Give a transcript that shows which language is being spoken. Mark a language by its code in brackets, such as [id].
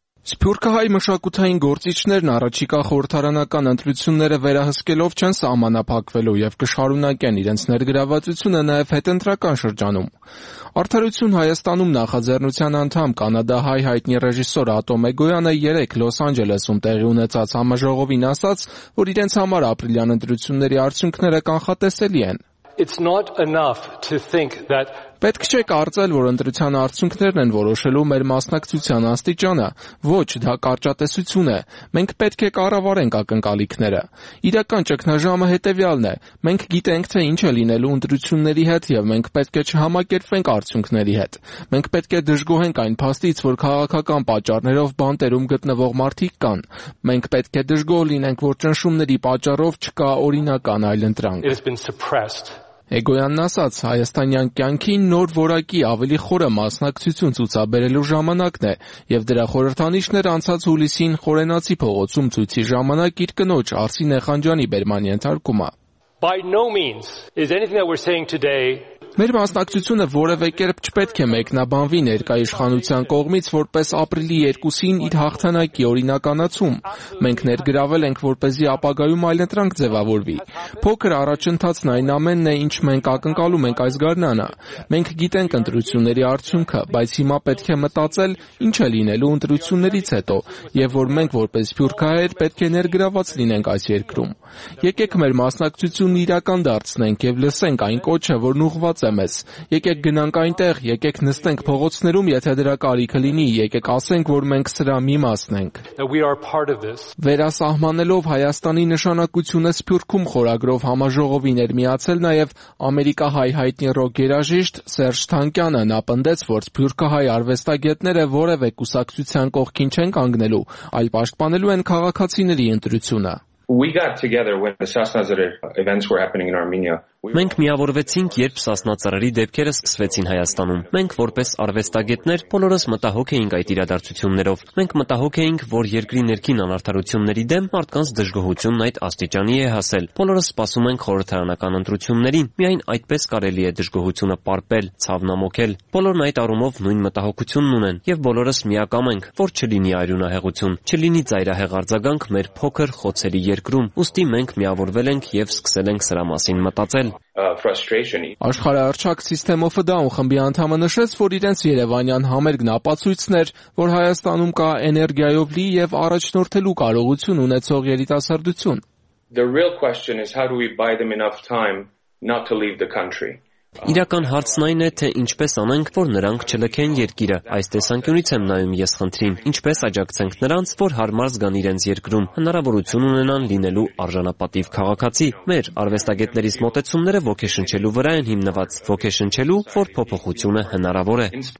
[hy] Սփյուռքի հայ մշակութային գործիչներն առաջիկա խորհրդարանական ընտրությունները վերահսկելով չեն սահմանափակվելու և կշարունակեն իրենց ներգրավվածությունը նաև հետընտրական շրջանում։ Արդարություն Հայաստանում նախաձեռնության անդամ Կանադա հայ հայտնի ռեժիսոր Ատո Մեգոյանը 3 Լոս Անջելեսում տեղի ունեցած համաժողովին ասաց, որ իրենց համար ապրիլյան ընտրությունների արդյունքները կանխատեսելի են։ [en] It's not enough to think that [hy] պետք չէ կարծել, որ ընտրության արդյունքներն են որոշելու մեր մասնակցության աստիճանը, ոչ, դա կարճատեսություն է, մենք պետք է կառավարենք ակնկալիքները։ Իրական ճգնաժամը հետևյալն է, մենք գիտենք, թե ինչ է լինելու ընտրությունների հետ և մենք պետք է չհամակերպվենք արդյունքների հետ, մենք պետք է դժգոհենք այն փաստից, որ քաղաքական պատճառներով բանտերում գտնվող մարդիկ կան, մենք պետք է դժգոհ լինենք, որ ճնշումների պատճառով չկա օրինական այլ ընտրանք։ Էգոյանն ասաց, հայաստանյան կյանքին նոր որակի ավելի խորը մասնակցություն ցուցաբերելու ժամանակն է, և դրա խորհրդանիշները անցած հուլիսին Խորենացի փողոցում ցույցի ժամանակ իր կնոջ Արսին Նախանջյանի բերմանի ենթարկումը։ [en] By no means is anything that we're saying today [hy] Մեր մասնակցությունը որևէ կերպ չպետք է մեկնաբանվի ներկայ իշխանության կողմից որպես ապրիլի 2-ին իր հաղթանակի օրինականացում։ Մենք ներգրավել ենք, որպեսզի ապագայում այլընտրանք ձևավորվի։ Փոքր առաջընթացն այն ամենն է, ինչ մենք ակնկալում ենք այս գարնանը։ Մենք գիտենք ընտրությունների արդյունքը, բայց հիմա պետք է մտածել, ինչ է լինելու ընտրություններից հետո, և որ մենք որպես փյուրքահայեր պետք է ներգրաված լինենք այս երկրում։ Եկեք մեր մասնակցությունն իրական դարձնենք և լսենք այն կոչը, որ ուղղված է մեզ։ Եկեք գնանք այնտեղ, եկեք նստենք փողոցներում, եթե դրա կարիքը լինի, եկեք ասենք, որ մենք սրա մի մասն ենք։ Վերասահմանելով Հայաստանի նշանակությունը Սփյուռքում խորագրով համաժողովին էր միացել նաև ամերիկահայ հայտնի ռոք երաժիշտ Սերժ Թանկյանը, նա պնդեց, որ սփյուռքահայ արվեստագետները որևէ կուսակցության կողքին չեն կանգնելու, այլ պաշտպանելու են քաղաքացիների ընտրությունը։ [en] We got together when the Sasnazare events were happening in Armenia. [hy] Մենք միավորվեցինք, երբ Սասնածրերի դեպքերը սկսվեցին Հայաստանում։ Մենք որպես արվեստագետներ բոլորս մտահոգ էինք այդ իրադարձություններով։ Մենք մտահոգ էինք, որ երկրի ներքին անարդարությունների դեմ մարդկանց դժգոհությունն այդ աստիճանի է հասել։ Բոլորս սպասում ենք խորհրդարանական ընտրություններին։ Միայն այդպես կարելի է դժգոհությունը պարպել, ցավնամոքել։ Բոլորն այդ առումով նույն մտահոգությունն ունեն, և բոլորս միակամ ենք, որ չլինի արյունահեղություն, չլինի ծայրահեղ արձագանք մեր փոքր խոցերի երկրում։ Ուստի մենք միավորվել ենք և սկսել ենք սրա մասին մտածել։ Աշխարհաարչակ Սիստեմովը Դաուն խմբի անդամը նշեց, որ իրենց Երևանյան համերգն ապացույցն էր, որ Հայաստանում կա էներգիայով լի և առաջնորդելու կարողություն ունեցող երիտասարդություն։ [en] The real question is how do we buy them enough time not to leave the country? [hy] Իրական հարցն այն է, թե ինչպես անենք, որ նրանք չլքեն երկիրը։ Այս տեսանկյունից եմ նայում ես խնդրին, ինչպես աջակցենք նրանց, որ հարմար զգան իրենց երկրում, հնարավորություն ունենան լինելու արժանապատիվ քաղաքացի։ Մեր արվեստագետների մոտեցումները ոգեշնչելու վրա են հիմնված, ոգեշնչելու, որ փոփոխությունը հնարավոր է։